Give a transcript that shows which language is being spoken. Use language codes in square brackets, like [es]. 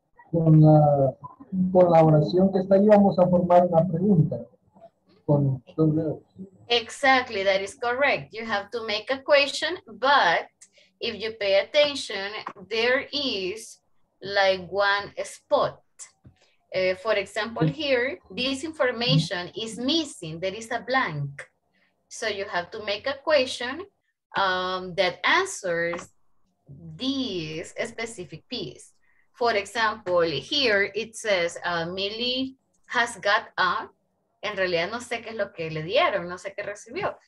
[es] Con la oración que está ahí vamos a formar una pregunta con [en] exactly, that is correct. You have to make a question, but if you pay attention, there is like one spot. For example, here this information is missing, there is a blank, so you have to make a question that answers this specific piece. For example, here it says, Millie has got a, [es] en realidad no sé qué es lo que le dieron, no sé qué recibió.